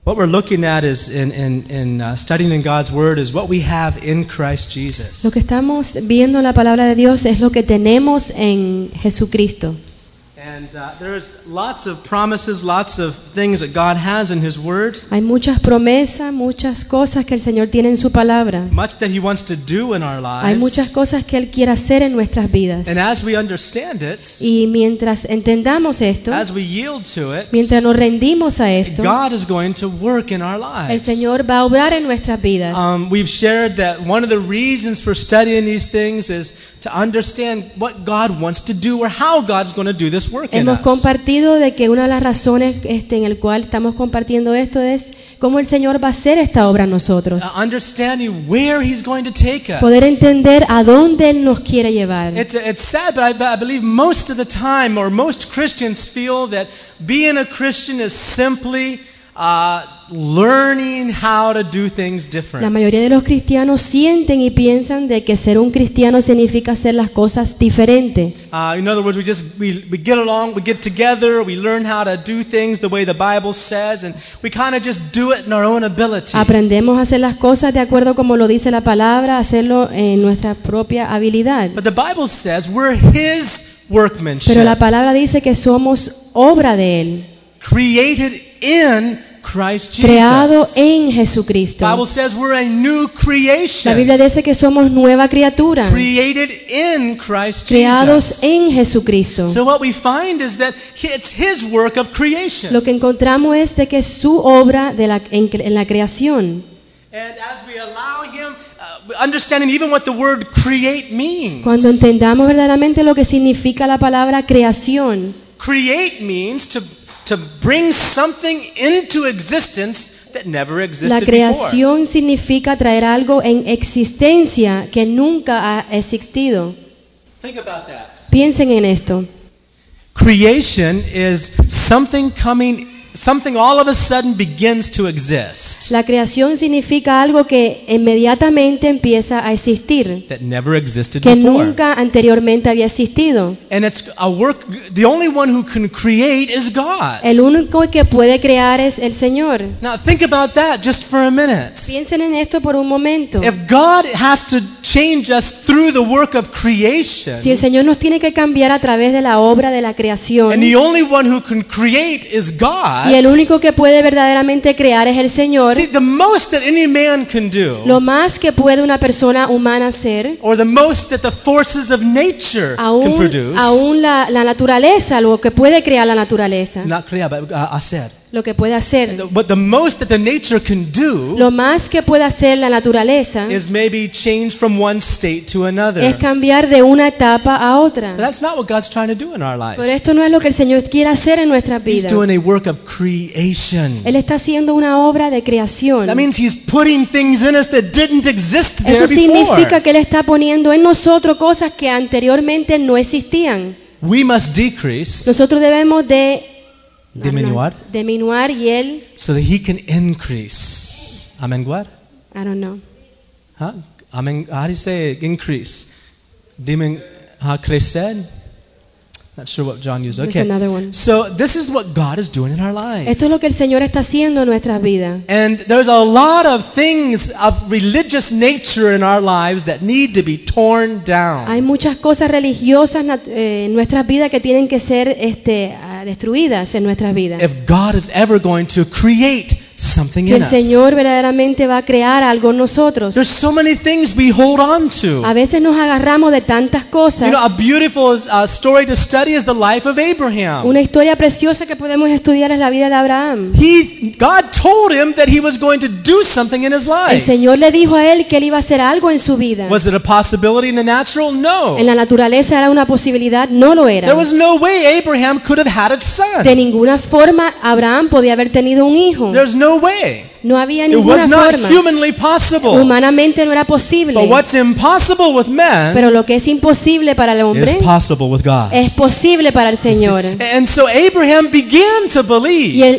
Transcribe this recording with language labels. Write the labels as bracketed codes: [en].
[en] What we're looking at is in studying in God's word is what we have in Christ Jesus. [es] Lo que estamos viendo en la palabra de Dios es lo que tenemos en Jesucristo. [en] And there's lots of promises, lots of things that God has in His Word. [es] Hay muchas promesas, muchas cosas que el Señor tiene en su palabra. [en] Much that He wants to do in our lives. [es] Hay muchas cosas que él quiere hacer en nuestras vidas. [en] And as we understand it, [es] y mientras entendamos esto, [en] as we yield to it, [es] mientras nos rendimos a esto, [en] God is going to work in our lives. [es] El Señor va a obrar en nuestras vidas. [en] We've shared that one of the reasons for studying these things is to understand what God wants to do or how God's going to do this work in us. [es] Hemos compartido de que una de las razones en el cual estamos compartiendo esto es cómo el Señor va a hacer esta obra en nosotros. [en] Understanding where He's going to take us. [es] Poder entender a dónde Él nos quiere llevar. [en] It's sad, but I believe most of the time, or most Christians feel that being a Christian is simply learning how to do things different. [es] La mayoría de los cristianos sienten y piensan de que ser un cristiano significa hacer las cosas diferente. [en] In other words, we get along, we get together, we learn how to do things the way the Bible says, and we kind of just do it in our own ability. [es] Aprendemos a hacer las cosas de acuerdo como lo dice la palabra, hacerlo en nuestra propia habilidad. [en] But the Bible says we're His workmanship. [es] Pero la palabra dice que somos obra de él. [en] Created in Christ Jesus. [es] Creado en Jesucristo. [en] The Bible says we're a new creation. [es] La Biblia dice que somos nueva criatura. [en] Created in Christ Jesus. [es] Creados en Jesucristo. [en] So what we find is that it's His work of creation. [es] Lo que encontramos es de que es su obra de la, en la creación. [en] And as we allow Him, understanding even what the word create means. [es] Cuando entendamos verdaderamente lo que significa la palabra creación. [en] Create means to bring something into existence that never existed before. [es] La creación significa traer algo en existencia que nunca ha existido. [en] Think about that. [es] Piensen en esto. [en] Creation is something coming, something all of a sudden begins to exist. [es] La creación significa algo que inmediatamente empieza a existir. [en] That never existed [es] que [en] before. [es] Que nunca anteriormente había existido. [en] And it's a work. The only one who can create is God. [es] El único que puede crear es el Señor. [en] Now think about that just for a minute. [es] Piensen en esto por un momento. [en] If God has to change us through the work of creation. [es] Si el Señor nos tiene que cambiar a través de la obra de la creación. [en] And the only one who can create is God. [es] Y el único que puede verdaderamente crear es el Señor. [en] See, the most that any man can do, [es] lo más que puede una persona humana hacer, [en] or the most that the forces of nature [es] aún, [en] can produce, [es] aún la naturaleza, lo que puede crear la naturaleza, [en] not crear, but hacer. [es] Lo que puede hacer, [en] but the most that the nature can do, [es] lo más que puede hacer la naturaleza, [en] is maybe change from one state to another. [es] Es cambiar de una etapa a otra. [en] But that's not what God's trying to do in our life. [es] Pero esto no es lo que el Señor quiere hacer en nuestras vidas. [en] He's doing a work of creation. [es] Él está haciendo una obra de creación. [en] That means He's putting things in us that didn't exist there before. [es] Eso significa que él está poniendo en nosotros cosas que anteriormente no existían. [en] We must decrease. [es] Nosotros debemos de Diminuar y él. [en] So that He can increase. Amenguar? I don't know. Huh? Amen. How do you say increase? Dimin. Crecer? Not sure what John used. Okay. Another one. So this is what God is doing in our lives. [es] Esto es lo que el Señor está haciendo en nuestras vidas. [en] And there's a lot of things of religious nature in our lives that need to be torn down. [es] Hay muchas cosas religiosas en nuestras vidas que tienen que ser destruidas en nuestras vidas. [en] If God is ever going to create something [es] si el Señor verdaderamente va a crear algo en nosotros. [en] There's so many things we hold on to. [es] A veces nos agarramos de tantas cosas. [en] You know, a beautiful story to study is the life of Abraham. [es] Una historia preciosa que podemos estudiar es la vida de Abraham. [en] God told him that he was going to do something in his life. [es] El Señor le dijo a él que él iba a hacer algo en su vida. [en] Was it a possibility in the natural? No. [es] En la naturaleza era una posibilidad, no lo era. [en] There was no way Abraham could have had a son. [es] De ninguna forma Abraham podía haber tenido un hijo. [en] No way. [es] No había ninguna forma. [en] It was not humanly possible. [es] Humanamente no era posible. [en] But what's impossible with man, [es] pero lo que es imposible para el hombre, [en] is possible with God. [es] Es posible para el Señor. [en] And so Abraham began to believe.